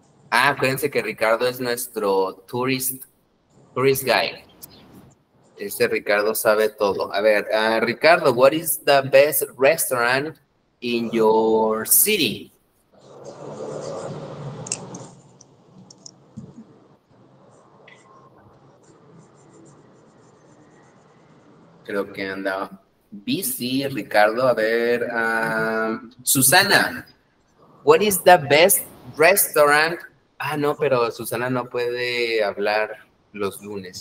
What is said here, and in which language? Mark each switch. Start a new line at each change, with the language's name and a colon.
Spanish: Ah, acuérdense que Ricardo es nuestro
English: tourist guy.
Spanish: Ese Ricardo sabe todo. A ver,
English: Ricardo, what is the best restaurant in your city?
Spanish: Creo que anda
English: busy, Ricardo.
Spanish: A ver,
English: Susana, what is the best restaurant?
Spanish: Ah, no, pero Susana no puede hablar los lunes.